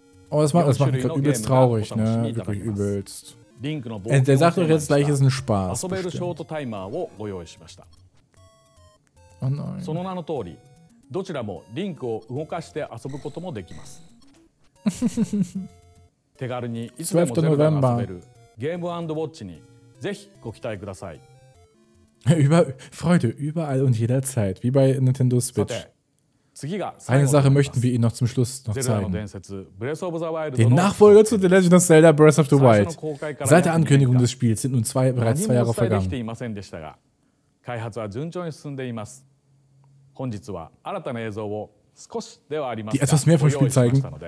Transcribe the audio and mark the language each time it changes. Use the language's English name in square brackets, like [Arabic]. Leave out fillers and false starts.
[German] Oh, das macht mich gerade übelst traurig, ne? Wirklich übelst. Der sagt doch jetzt gleich, es ist ein Spaß. Bestimmt. [Japanese] その名の通り、どちらもリンクを動かして遊ぶこともできます。手軽にいつでもゼルダが遊べるゲーム&ウォッチにぜひご期待ください。 [German] Freude überall und jederzeit, wie bei Nintendo Switch. Eine Sache möchten wir Ihnen noch zum Schluss noch zeigen. Den Nachfolger zu The Legend of Zelda Breath of the Wild. Seit der Ankündigung des Spiels sind nun bereits zwei Jahre vergangen. Die etwas mehr vom Spiel zeigen.